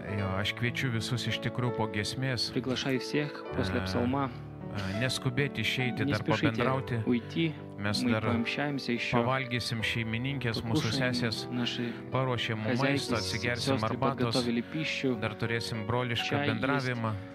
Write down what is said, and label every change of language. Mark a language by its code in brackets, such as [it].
[lt] Jo, aš kviečiu visus iš tikrųjų po giesmės. [ru] Приглашаю всех после псалма. [lt] Neskubėti išeiti, dar pabendrauti. [ru] Уйти. [lt] Mes dar pavalgysim šeimininkės, mūsų sesės paruošė mums maisto, atsigersim arbatos. Dar turėsim brolišką bendravimą.